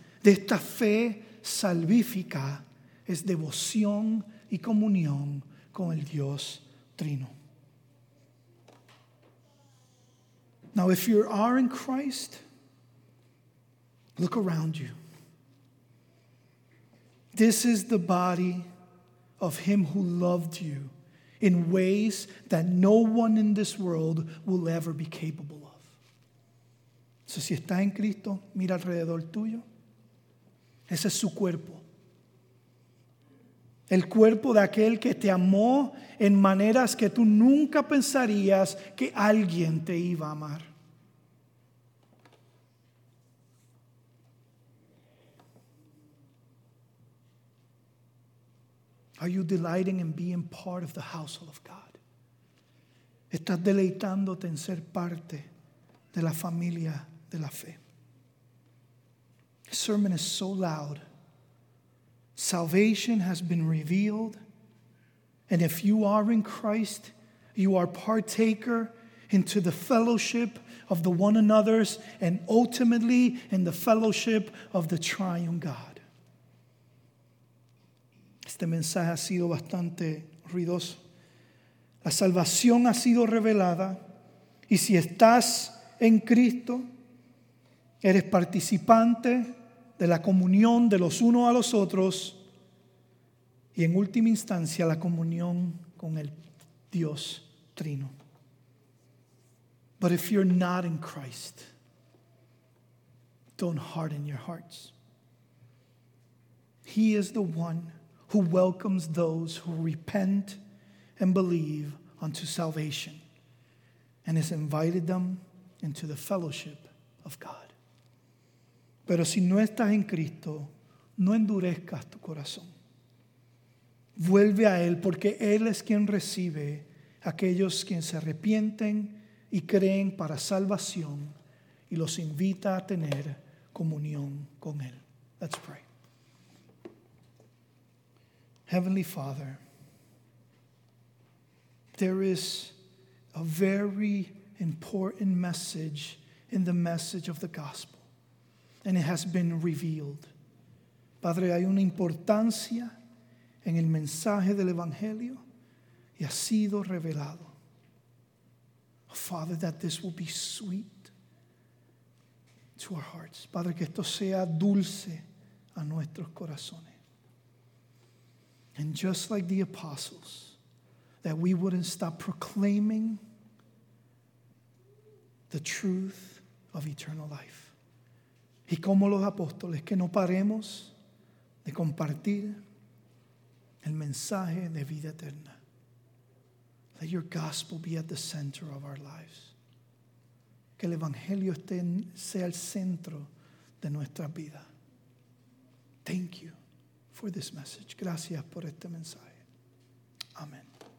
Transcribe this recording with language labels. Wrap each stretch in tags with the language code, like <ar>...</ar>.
<es>De esta fe salvífica es devoción y comunión con el Dios Trino.</es> <en>Now, if you are in Christ, look around you. This is the body of Him who loved you in ways that no one in this world will ever be capable of.</en> <es>So, si está en Cristo, mira alrededor tuyo. Ese es su cuerpo. El cuerpo de aquel que te amó en maneras que tú nunca pensarías que alguien te iba a amar.</es> <en>Are you delighting in being part of the household of God?</en> <es>¿Estás deleitándote en ser parte de la familia de la fe?</es> <en>The sermon is so loud. Salvation has been revealed. And if you are in Christ, you are partaker into the fellowship of the one another's and ultimately in the fellowship of the triune God.</en> <es>Este mensaje ha sido bastante ruidoso. La salvación ha sido revelada. Y si estás en Cristo, eres participante de la comunión de los unos a los otros y en última instancia la comunión con el Dios Trino.</es> <en>But if you're not in Christ, don't harden your hearts. He is the one who welcomes those who repent and believe unto salvation and has invited them into the fellowship of God.</en> <es>Pero si no estás en Cristo, no endurezcas tu corazón. Vuelve a Él, porque Él es quien recibe a aquellos quienes se arrepienten y creen para salvación y los invita a tener comunión con Él.</es> <en>Let's pray. Heavenly Father, there is a very important message in the message of the gospel. And it has been revealed.</en> <es>Padre, hay una importancia en el mensaje del Evangelio y ha sido revelado.</es> <en>Oh, Father, that this will be sweet to our hearts.</en> <es>Padre, que esto sea dulce a nuestros corazones.</es> <en>And just like the apostles, that we wouldn't stop proclaiming the truth of eternal life.</en> <es>Y como los apóstoles, que no paremos de compartir el mensaje de vida eterna.</es> <en>Let your gospel be at the center of our lives.</en> <es>Que el evangelio sea el centro de nuestra vida.</es> <en>Thank you for this message.</en> <es>Gracias por este mensaje. Amén.</es>